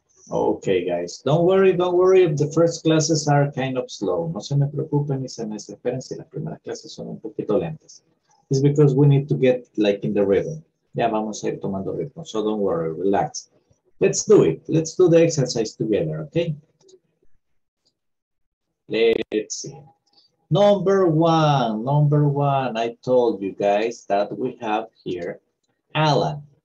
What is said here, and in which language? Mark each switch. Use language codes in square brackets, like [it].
[en] Okay, guys. Don't worry, if the first classes are kind of slow. [es] No se me preocupen y se me desesperen si las primeras clases son un poquito lentas. [en] It's because we need to get like in the rhythm. [es] Ya vamos a ir tomando ritmo. [en] So don't worry, relax. Let's do it. Let's do the exercise together, okay? Let's see. Number one, I told you guys that we have here Alan.